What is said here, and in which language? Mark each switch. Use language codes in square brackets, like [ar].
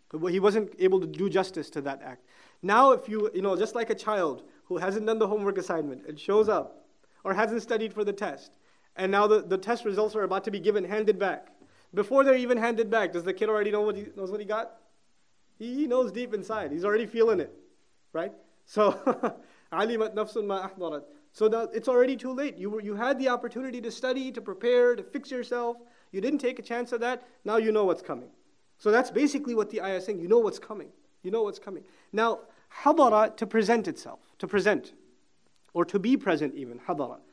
[en] He wasn't able to do justice to that act. Now if you just like a child who hasn't done the homework assignment and shows up or hasn't studied for the test, and now the test results are about to be given, handed back. Before they're even handed back, does the kid already know what he got? He knows deep inside. He's already feeling it, right? [ar] So, عَلِمَتْ نَفْسٌ مَا أَحْضَرَتْ. [en] So that it's already too late. You had the opportunity to study, to prepare, to fix yourself. You didn't take a chance of that. Now you know what's coming. So that's basically what the ayah is saying. You know what's coming. You know what's coming. Now, hadara, to present itself, to present, or to be present even, hadara.